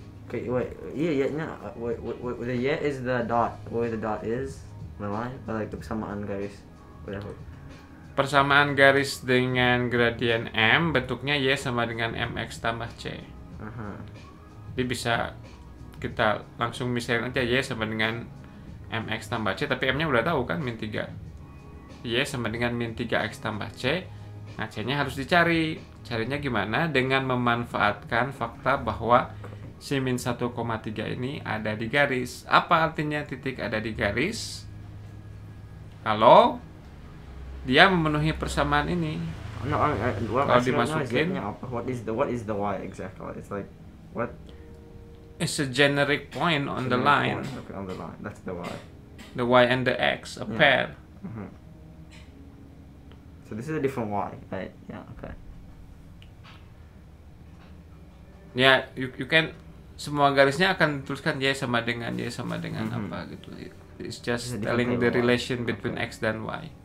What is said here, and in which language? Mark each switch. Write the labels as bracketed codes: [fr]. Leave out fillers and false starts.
[en] Okay, wait, Y-nya, wait, the Y is the dot, where the dot is. Nah, like the [id] persamaan garis. [en] Whatever. [id] Persamaan garis dengan gradien M bentuknya Y sama dengan MX tambah C. Uh-huh. Jadi bisa kita langsung misalkan aja Y sama dengan MX tambah C, tapi M-nya udah tahu kan min 3. Y sama dengan min 3X tambah C. Nah, C-nya harus dicari. Carinya gimana? Dengan memanfaatkan fakta bahwa si min 1,3 ini ada di garis. Apa artinya titik ada di garis? Kalau dia memenuhi persamaan ini, kalau dimasukin, [en] what is the y exactly? It's like what? It's a generic point on the line. Okay, on the line, that's the y. The y and the x, a pair. So this is a different y, right? Yeah. Okay. Yeah, you can [id] semua garisnya akan dituliskan y sama dengan y sama dengan mm-hmm. apa gitu. [en] It's just it's telling the relation between okay. [id] x dan y.